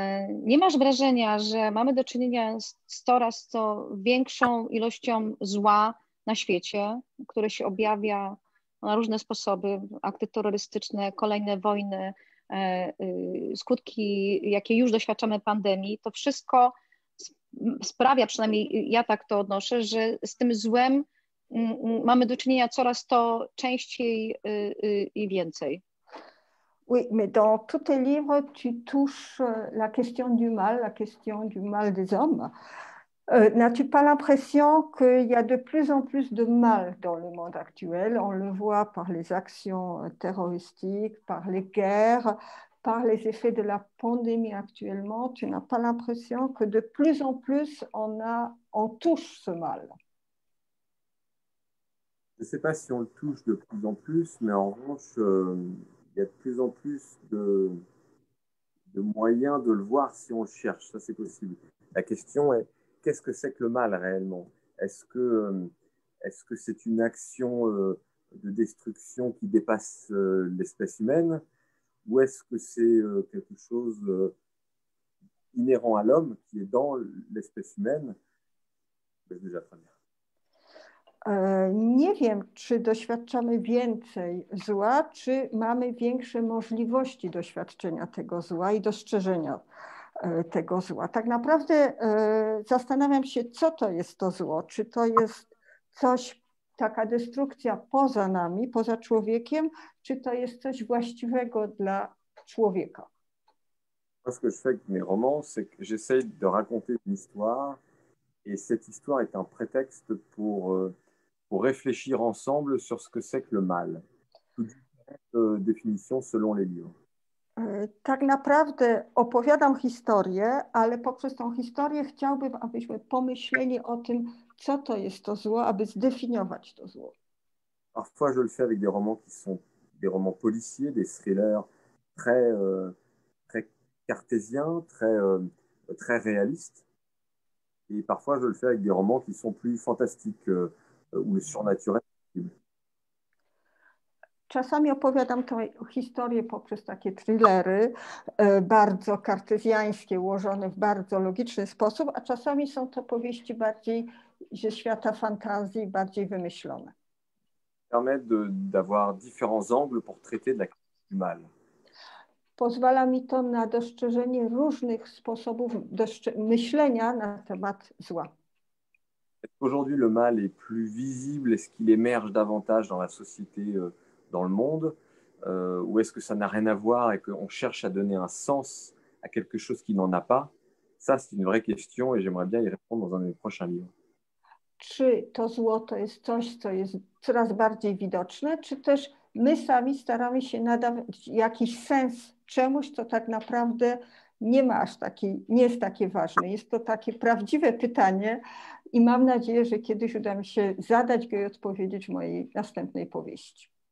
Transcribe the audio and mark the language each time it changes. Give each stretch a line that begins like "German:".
Polish: Nie masz wrażenia, że mamy do czynienia z coraz to większą ilością zła na świecie, które się objawia na różne sposoby, akty terrorystyczne, kolejne wojny, skutki, jakie już doświadczamy pandemii, to wszystko sprawia, przynajmniej ja tak to odnoszę, że z tym złem mamy do czynienia coraz to częściej i więcej.
French: Oui, mais dans tous tes livres, tu touches la question du mal, la question du mal des hommes. N'as-tu pas l'impression qu'il y a de plus en plus de mal dans le monde actuel? On le voit par les actions terroristiques, par les guerres, par les effets de la pandémie actuellement. Tu n'as pas l'impression que de plus en plus on touche ce mal? Je ne sais pas si on le touche de plus en plus, mais en revanche, il y a de plus en plus de moyens de le voir si on le cherche. Ça, c'est possible. La question est, qu'est-ce que c'est que le mal réellement? Est-ce que c'est une action de destruction qui dépasse l'espèce humaine? Ou est-ce que c'est quelque chose inhérent à l'homme qui est dans l'espèce humaine? C'est déjà très bien.
Polish: Nie wiem, czy doświadczamy więcej zła, czy mamy większe możliwości doświadczenia tego zła i dostrzeżenia tego zła. Tak naprawdę zastanawiam się, co to jest to zło. Czy to jest coś, taka destrukcja poza nami, poza człowiekiem, czy to jest coś właściwego dla człowieka?
French: Moi, ce que je fais avec mes romans, c'est que j'essaie de raconter une histoire, et cette histoire est un prétexte pour réfléchir ensemble sur ce que c'est que le mal. Toutes différentes définitions selon les livres.
Polish: Tak naprawdę opowiadam historię, ale poprzez tą historię chciałbym, abyśmy pomyśleli o tym, co to jest to zło, aby zdefiniować to zło.
French: Parfois, je le fais avec des romans qui sont des romans policiers, des thrillers très cartésien, très très réaliste. Et parfois je le fais avec des romans qui sont plus fantastiques ou surnaturels.
Polish: Czasami opowiadam tę historię poprzez takie thrillery, bardzo kartezjańskie, ułożone w bardzo logiczny sposób, a czasami są to powieści bardziej ze świata fantazji, bardziej wymyślone.
French: Permet de d'avoir différents angles pour traiter de la question du mal.
Polish: Pozwala mi to na dostrzeżenie różnych sposobów myślenia na temat zła.
French: Est-ce qu'aujourd'hui le mal est plus visible, est-ce qu'il émerge davantage dans la société, dans le monde, ou est-ce que ça n'a rien à voir et qu'on cherche à donner un sens à quelque chose qui n'en a pas? Ça, c'est une vraie question et j'aimerais bien y répondre dans un de mes prochains livres.
Polish: Czy to zło to jest coś, co jest coraz bardziej widoczne, czy też my sami staramy się nadać jakiś sens czemuś, co tak naprawdę nie ma aż taki, nie jest takie ważne. Jest to takie prawdziwe pytanie i mam nadzieję, że kiedyś uda mi się zadać go i odpowiedzieć w mojej następnej powieści.